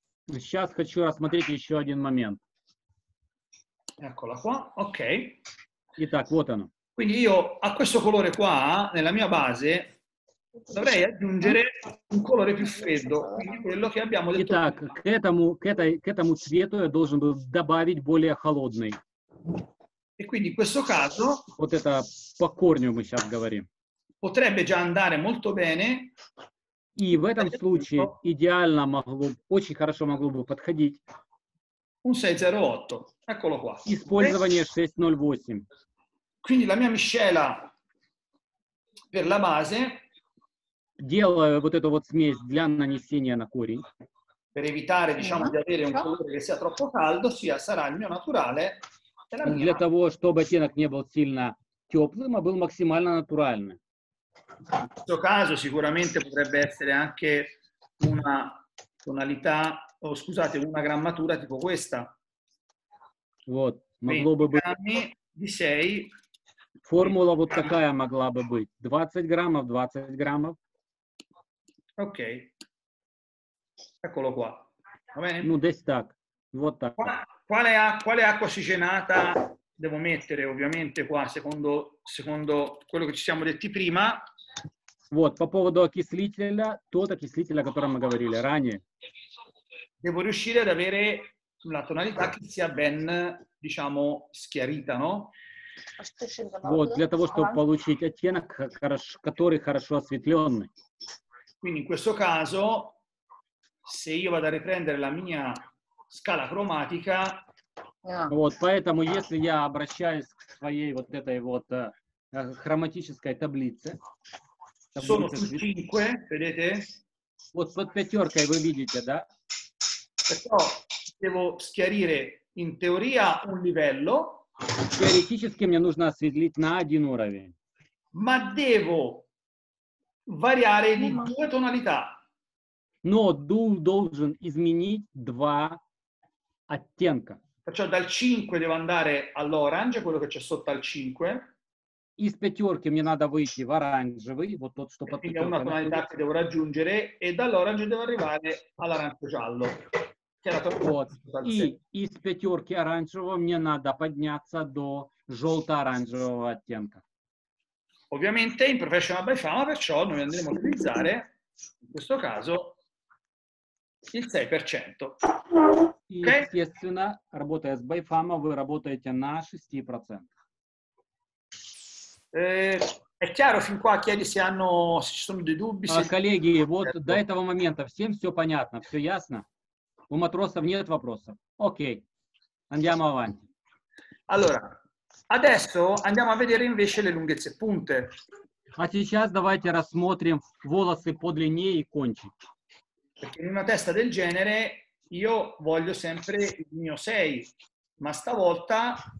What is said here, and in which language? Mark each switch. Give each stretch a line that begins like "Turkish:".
Russian: Сейчас хочу рассмотреть еще один момент.
Italian: Eccola qua, ok.
Russian: Итак, вот оно.
Italian: Quindi io a questo colore qua, nella mia base, dovrei aggiungere un colore più freddo, quindi quello che abbiamo detto.
Russian: Итак, к этому, к этому цвету я должен был добавить более холодный.
Italian: E quindi in questo caso,
Russian: вот это по корню мы сейчас говорим.
Italian: Potrebbe già andare molto bene.
Russian: И в этом случае идеально могло, очень хорошо могло бы подходить.
Italian: Un 608. Eccolo qua.
Russian: Использование 608.
Italian: Quindi la mia miscela per la base.
Russian: Делаю вот эту вот смесь для нанесения на корень.
Italian: Per evitare, diciamo, di avere un colore che sia troppo caldo, sia sarà il mio naturale.
Russian: Для того, чтобы оттенок не был сильно теплым, а был максимально натуральным.
Italian: В questo caso sicuramente potrebbe essere anche una tonalità, o scusate, una grammatura tipo questa.
Russian: Вот, могло бы быть. 20 граммов, 6. Формула вот такая могла бы быть. 20 граммов, 20 граммов.
Italian: Окей. Eccolo qua. Va bene?
Russian: Ну, десь так. Вот так.
Italian: Quale acqua ossigenata devo mettere, ovviamente, qua, secondo quello che ci siamo detti prima?
Russian: Вот, по поводу окислителя, тот окислитель, о котором мы говорили ранее.
Italian: Devo riuscire ad avere la tonalità che sia ben, diciamo, schiarita, no?
Russian: Вот, для того, чтобы получить оттенок, который хорошо осветленный.
Italian: Quindi, in questo caso, se io vado a riprendere la mia scala cromatica.
Russian: Вот, поэтому если я обращаюсь к своей вот этой вот хроматической таблице.
Italian: Sono su 5, vedete?
Russian: Вот под пятеркой вы видите, да?
Italian: Perciò devo schiarire in teoria un livello.
Russian: Теоретически мне нужно осветлить на один уровень.
Italian: Ma devo variare di due tonalità.
Russian: Но должен изменить два оттенка.
Italian: Perciò dal 5 devo andare all'orange, quello che c'è sotto al 5.
Russian: Из пятерки мне надо выйти в оранжевый, вот тот, что под пятеркой.
Italian: Una tonalità che devo raggiungere e dall'orange devo arrivare all'arancio giallo.
Russian: Вот. И из пятерки оранжевого мне надо подняться до желто-оранжевого оттенка.
Italian: Ovviamente in Professional by Fama, perciò noi andremo a utilizzare, in questo caso, il 6%. Okay.
Russian: Естественно, работая с Байфама, вы работаете на 6%.
Italian: È chiaro fin qua, chiedi se hanno, se ci sono dei dubbi.
Russian: Коллеги, вот до этого момента всем все понятно, все ясно? У матросов нет вопросов.
Italian: Окей. Andiamo avanti.
Russian: Allora, adesso andiamo a vedere invece le lunghezze punte. А сейчас давайте рассмотрим волосы по длине и кончик.
Italian: Perché in una testa del genere io voglio sempre il mio 6, ma stavolta.